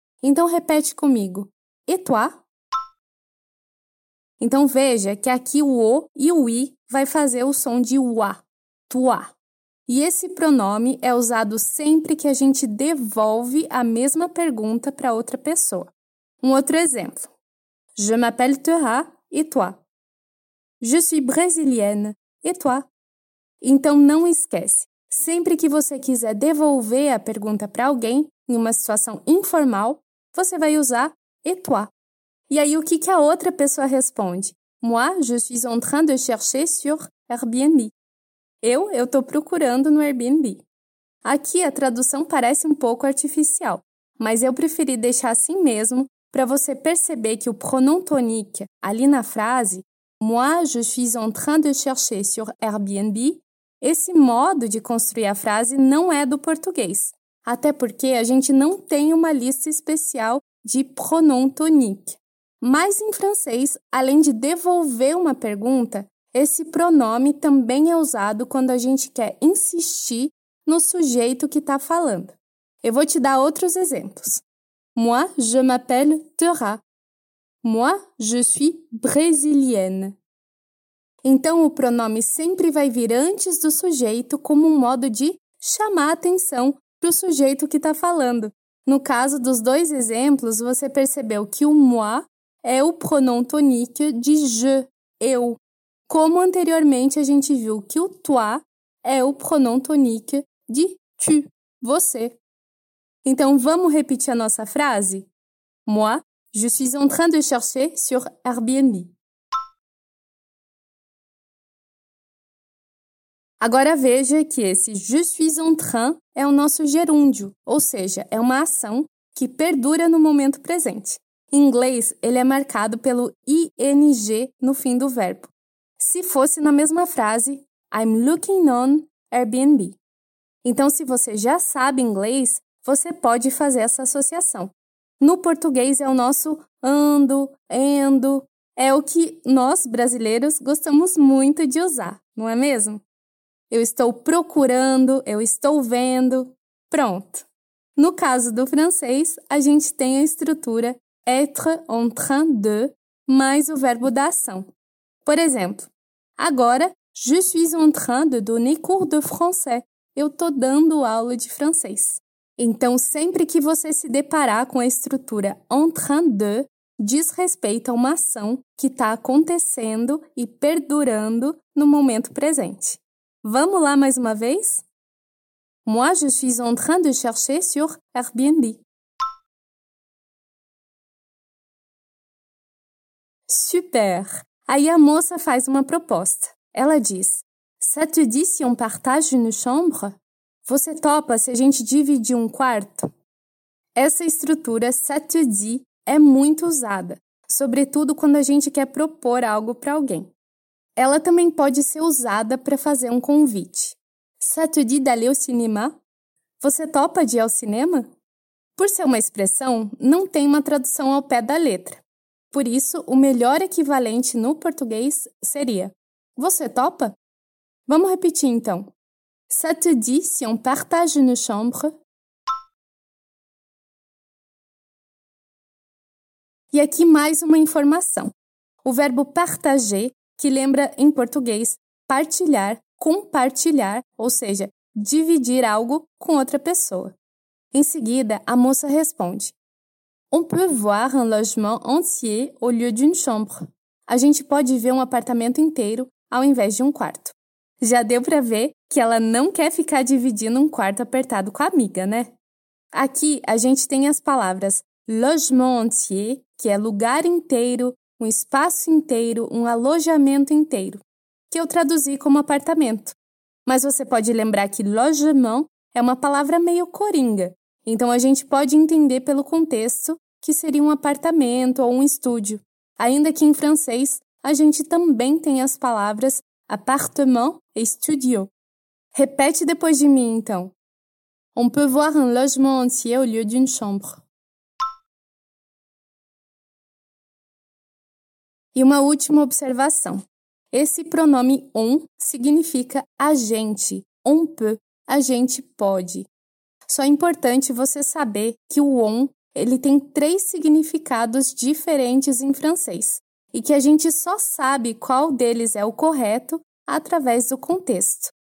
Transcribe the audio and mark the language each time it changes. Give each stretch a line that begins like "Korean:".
Portuguese: Então, repete comigo.
French: Et toi?
Portuguese: Então, veja que aqui o O e o I vai fazer o som de uá, toi. E esse pronome é usado sempre que a gente devolve a mesma pergunta para outra pessoa. Um outro exemplo.
French: Je m'appelle Thera, et toi? Je suis brésilienne, et toi?
Portuguese: Então, não esquece. Sempre que você quiser devolver a pergunta para alguém, em uma situação informal, você vai usar
French: et toi.
Portuguese: E aí, o que a outra pessoa responde?
French: Moi, je suis en train de chercher sur Airbnb.
Portuguese: Eu estou procurando no Airbnb. Aqui, a tradução parece um pouco artificial, mas eu preferi deixar assim mesmo para você perceber que o pronom tonique ali na frase
French: Moi, je suis en train de chercher sur Airbnb.
Portuguese: Esse modo de construir a frase não é do português, até porque a gente não tem uma lista especial de pronom tonique. Mas em francês, além de devolver uma pergunta, esse pronome também é usado quando a gente quer insistir no sujeito que está falando. Eu vou te dar outros exemplos.
French: Moi, je m'appelle Thera. Moi, je suis brésilienne.
Portuguese: Então, o pronome sempre vai vir antes do sujeito como um modo de chamar a atenção para o sujeito que está falando. No caso dos dois exemplos, você percebeu que o moi é o pronom tonique de je, eu. Como anteriormente a gente viu que o toi é o pronom tonique de tu, você. Então, vamos repetir a nossa frase?
French: Moi, je suis en train de chercher sur Airbnb.
Portuguese: Agora veja que esse
French: je suis en train
Portuguese: é o nosso gerúndio, ou seja, é uma ação que perdura no momento presente. Em inglês, ele é marcado pelo ing no fim do verbo.
English: Se fosse na mesma frase, I'm looking on Airbnb.
Portuguese: Então, se você já sabe inglês, você pode fazer essa associação. No português, é o nosso ando, endo. É o que nós, brasileiros, gostamos muito de usar, não é mesmo? Eu estou procurando, eu estou vendo, pronto. No caso do francês, a gente tem a estrutura
French: être en train de
Portuguese: mais o verbo da ação. Por exemplo, agora,
French: je suis en train de donner cours de français.
Portuguese: Eu estou dando aula de francês. Então, sempre que você se deparar com a estrutura
French: en train de,
Portuguese: diz respeito a uma ação que está acontecendo e perdurando no momento presente. Vamos lá mais uma vez?
French: Moi, je suis en train de chercher sur Airbnb.
Portuguese: Super! Aí a moça faz uma proposta. Ela diz,
French: ça te dit si on partage une chambre?
Portuguese: Você topa se a gente dividir um quarto? Essa estrutura,
French: ça te dit,
Portuguese: é muito usada, sobretudo quando a gente quer propor algo para alguém. Ela também pode ser usada para fazer um convite.
French: Ça te dit d'aller au cinéma?
Portuguese: Você topa de ir ao cinema? Por ser uma expressão, não tem uma tradução ao pé da letra. Por isso, o melhor equivalente no português seria Você topa? Vamos repetir, então.
French: Ça te dit si on partage une chambre?
Portuguese: E aqui mais uma informação. O verbo partager, que lembra, em português, partilhar, compartilhar, ou seja, dividir algo com outra pessoa. Em seguida, a moça responde.
French: On peut voir un logement entier au lieu d'une chambre.
Portuguese: A gente pode ver um apartamento inteiro ao invés de um quarto. Já deu para ver que ela não quer ficar dividindo um quarto apertado com a amiga, né? Aqui a gente tem as palavras
French: logement entier,
Portuguese: que é lugar inteiro, um espaço inteiro, um alojamento inteiro, que eu traduzi como apartamento. Mas você pode lembrar que logement é uma palavra meio coringa. Então, a gente pode entender pelo contexto que seria um apartamento ou um estúdio. Ainda que em francês, a gente também tem as palavras
French: appartement et studio.
Portuguese: Repete depois de mim, então.
French: On peut voir un logement entier au lieu d'une chambre.
Portuguese: E uma última observação. Esse pronome on significa a gente.
French: On peut,
Portuguese: a gente pode. Só é importante você saber que o on, ele tem três significados diferentes em francês e que a gente só sabe qual deles é o correto através do contexto.